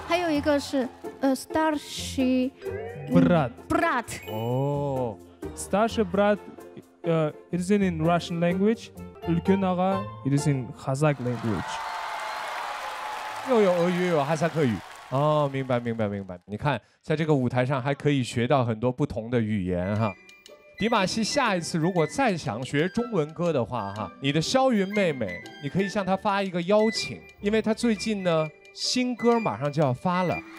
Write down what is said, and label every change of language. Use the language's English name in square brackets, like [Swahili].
[Chinese] 还有一个是starshi [Russian] brat。 Brat。 哦，starshi brat。 [English] It is in Russian language. Ülken ağa, it is in Kazakh language. [Chinese] 又有俄语，又有哈萨克语。哦，明白，明白，明白。你看，在这个舞台上还可以学到很多不同的语言哈。迪玛希，下一次如果再想学中文歌的话哈，你的霄云妹妹，你可以向她发一个邀请，因为她最近呢新歌马上就要发了。